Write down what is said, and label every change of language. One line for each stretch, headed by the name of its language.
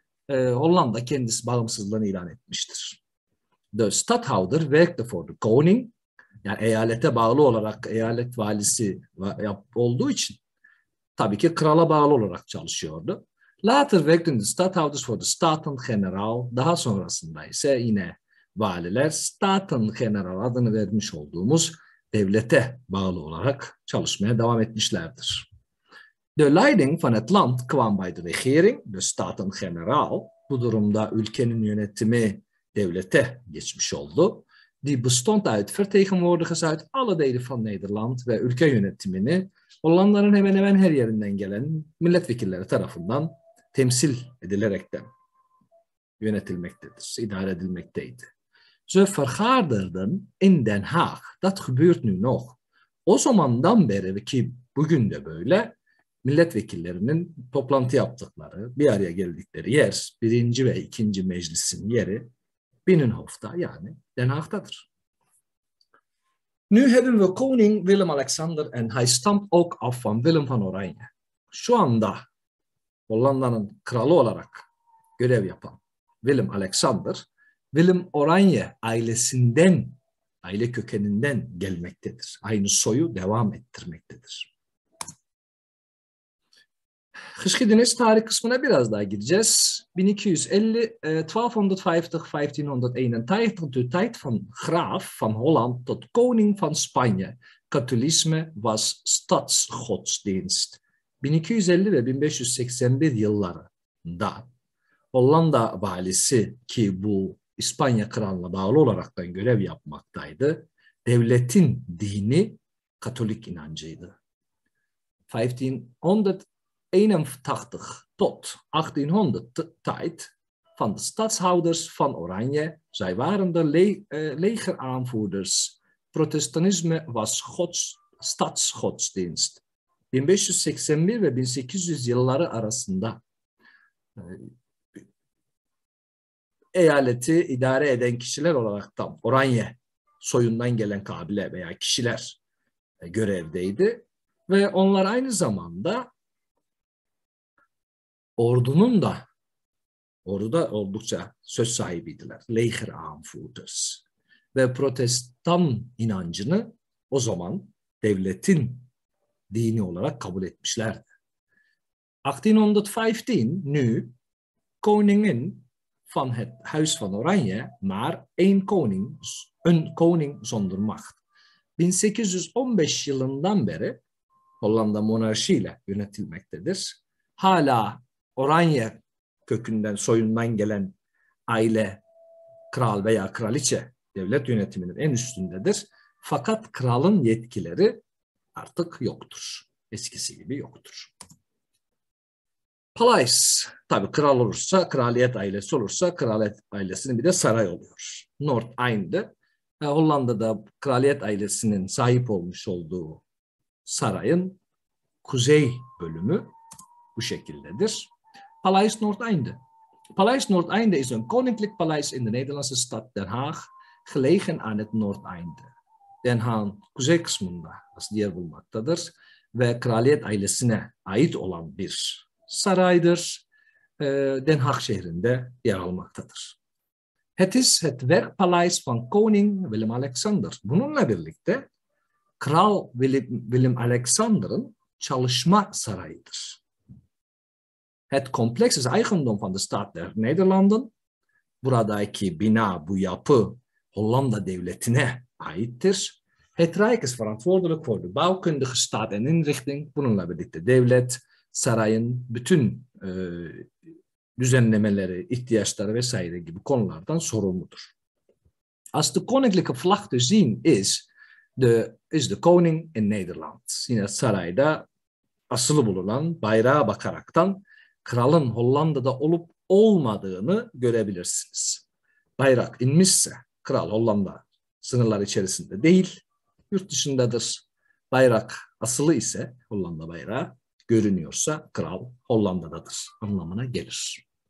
Turkish: Hollanda kendisi bağımsızlığını ilan etmiştir.
English: The Stadthouder worked for the Koning,
Turkish: yani eyalete bağlı olarak eyalet valisi olduğu için tabii ki krala bağlı olarak çalışıyordu.
English: Later worked in the Stadthouder for the Staten General,
Turkish: daha sonrasında ise yine valiler Staten General adını vermiş olduğumuz devlete bağlı olarak çalışmaya devam etmişlerdir.
Dutch: De leiding van het land kwam bij de regering, de Staten-Generaal.
Turkish: Bu durumda ülkenin yönetimi devlete geçmiş oldu.
Dutch: Die bestond uit vertegenwoordigers uit alle delen van Nederland
Turkish: ve ülke yönetimini Hollanda'nın hemen hemen her yerinden gelen milletvekilleri tarafından temsil edilerek de yönetilmektedir, idare edilmekteydi.
Dutch: Ze vergaderden in Den Haag. Dat gebeurt nu nog.
Turkish: O zamandan beri ki bugün de böyle, milletvekillerinin toplantı yaptıkları, bir araya geldikleri yer, birinci ve ikinci meclisin yeri Binnenhof'ta yani Den Haag'tadır.
Dutch: Nu hebben we koning Willem-Alexander en hij stamt ook af van Willem van Oranje.
Turkish: Şu anda Hollanda'nın kralı olarak görev yapan Willem-Alexander, Willem Oranje ailesinden, aile kökeninden gelmektedir. Aynı soyu devam ettirmektedir. Geschiedenis, tarih kısmına biraz daha gireceğiz.
Dutch: 1250, 1250-1581, de tijd van graaf van Holland tot koning van Spanje. Katolisme was stadsgodsdienst.
Turkish: 1250 ve 1581 yıllarında Hollanda valisi ki bu İspanya kralına bağlı olaraktan görev yapmaktaydı. Devletin dini Katolik inancıydı.
Dutch: 1581 tot 1800 tijd van de stadshouders van Oranje. Zij waren de legeraanvoerders. Protestantisme was stadsgodsdienst.
Turkish: 1581 ve 1800 yılları arasında eyaleti idare eden kişiler olarak tam Oranje soyundan gelen kabile veya kişiler görevdeydi. Ve onlar aynı zamanda ordunun da, orduda oldukça söz sahibiydiler.
Dutch: Leger aanvoerders.
Turkish: Ve protestan inancını o zaman devletin dini olarak kabul etmişlerdi.
Dutch: 1815 nu koningin van het Huis van Oranje, maar een koning zonder macht.
Turkish: 1815 yılından beri Hollanda monarşiyle yönetilmektedir. Hala Oranje kökünden, soyundan gelen aile, kral veya kraliçe devlet yönetiminin en üstündedir. Fakat kralın yetkileri artık yoktur. Eskisi gibi yoktur. Palais, tabii kral olursa, kraliyet ailesi olursa, kraliyet ailesinin bir de saray oluyor. Noord-Einde, Hollanda'da kraliyet ailesinin sahip olmuş olduğu sarayın kuzey bölümü bu şekildedir.
Dutch: Palais Noord-Einde. Palais Noord-Einde is een koninklijk paleis in de Nederlandse stad Den Haag, gelegen aan het Noord-Einde.
Turkish: Den Haag'ın kuzey kısmında aslında yer bulmaktadır ve kraliyet ailesine ait olan bir saraydır. Den Haag şehrinde yer almaktadır.
Dutch: Het is het werkpaleis van koning Willem-Alexander.
Turkish: Bununla birlikte Kral Willem-Alexander'ın çalışma sarayıdır.
Dutch: Het complex is eigendom van de staat der Nederlanden.
Turkish: Buradaki bina, bu yapı Hollanda devletine aittir.
Dutch: Het Rijk is verantwoordelijk voor de bouwkundige staat en inrichting.
Turkish: Bununla birlikte devlet sarayın bütün düzenlemeleri, ihtiyaçları vesaire gibi konulardan sorumludur.
Dutch: Als de koninklijke vlag te zien is de koning in Nederland.
Turkish: Yine sarayda asılı bulunan bayrağa bakaraktan kralın Hollanda'da olup olmadığını görebilirsiniz. Bayrak inmişse kral Hollanda sınırlar içerisinde değil, yurt dışındadır. Bayrak asılı ise, Hollanda bayrağı görünüyorsa kral Hollanda'dadır anlamına gelir.